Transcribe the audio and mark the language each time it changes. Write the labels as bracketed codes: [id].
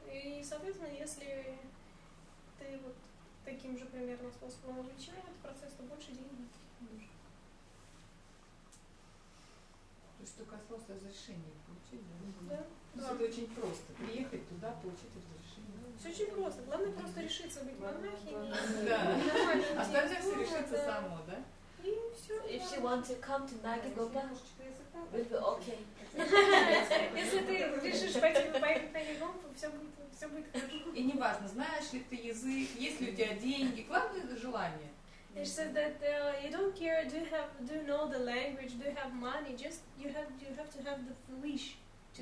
[ru] И, соответственно, если ты вот таким же примерно способом увлечен этот процесс, то больше денег не нужно. То есть только осталось разрешение получить, да? Да. То есть это очень просто. Приехать туда, получить разрешение. Все очень просто. Главное просто решиться быть монахиней. Да. Остальное все решится само, да? И все. [en] If she wants to come to Nagegopa, we'll be okay. [ru] Если ты решишь поехать на Нагегопу, все будет хорошо. И не важно, знаешь ли ты язык, есть ли у тебя деньги, главное – желание. [en] They said that you don't care, do you know the language, do you have money, just you have to have the wish to